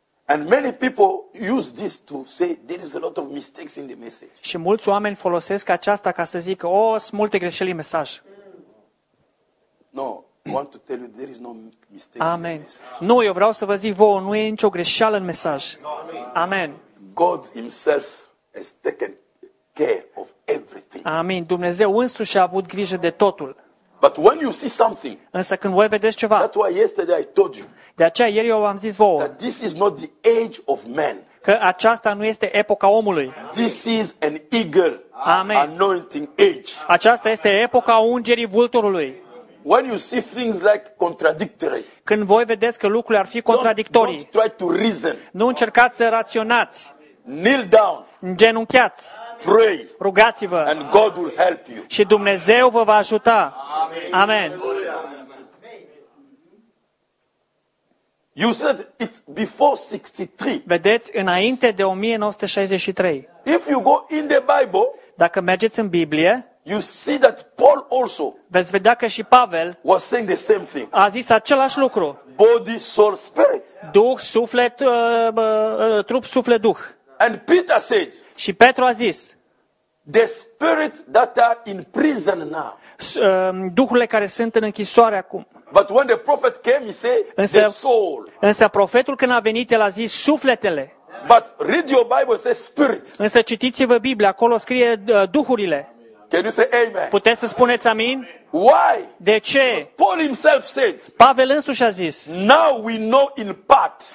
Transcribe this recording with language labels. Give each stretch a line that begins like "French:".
English: And many people use this to say there is a lot of mistakes in the message.
Romanian: Și mulți oameni folosesc aceasta ca să zică, oh, sunt multe greșeli în mesaj.
English: No. I want to tell you there is no mistake. Amen.
Romanian: Nu, eu vreau să vă zic vouă, nu e nicio greșeală în mesaj.
English: Amen. God himself has taken care of everything. Amen.
Romanian: Dumnezeu însuși a avut grijă de totul.
English: But when you see something.
Romanian: Însă când voi vedeți ceva.
English: That's why yesterday I told you.
Romanian: De aceea ieri eu v-am zis vouă.
English: That this is not the age of man.
Romanian: Că aceasta nu este epoca omului.
English: This is an eagle. Amen. Anointing age.
Romanian: Aceasta este epoca ungerii vulturului.
English: When you see things like contradictory,
Romanian: când voi vedeți că lucrurile ar fi contradictorii,
English: don't try to reason.
Romanian: Nu încercați să raționați.
English: Kneel down.
Romanian: Genunchiați.
English: Pray.
Romanian: Rugați-vă.
English: And God will help you.
Romanian: Și Dumnezeu vă va ajuta.
English: Amen. Amen. You said it's before 63.
Romanian: Vedeți, înainte de 1963.
English: If you go in the Bible,
Romanian: dacă mergeți în Biblie,
English: you see that Paul also.
Romanian: Veți vedea că și Pavel
English: was saying the same thing.
Romanian: A zis același lucru.
English: Body, soul, spirit.
Romanian: Duh, suflet, trup, suflet, duh.
English: And Peter said.
Romanian: Și Petru a zis.
English: The spirit that are in prison now.
Romanian: Duhurile care sunt în închisoare acum.
English: But when the prophet came, he said the soul.
Romanian: Însă profetul când a venit, el a zis sufletele.
English: But read your Bible, says spirit.
Romanian: Însă citiți-vă Biblia, acolo scrie duhurile.
English: Can you say amen?
Romanian: Puteți să spuneți amin?
English: Why?
Romanian: De ce?
English: Paul himself said.
Romanian: Pavel însuși a zis.
English: Now we know in part.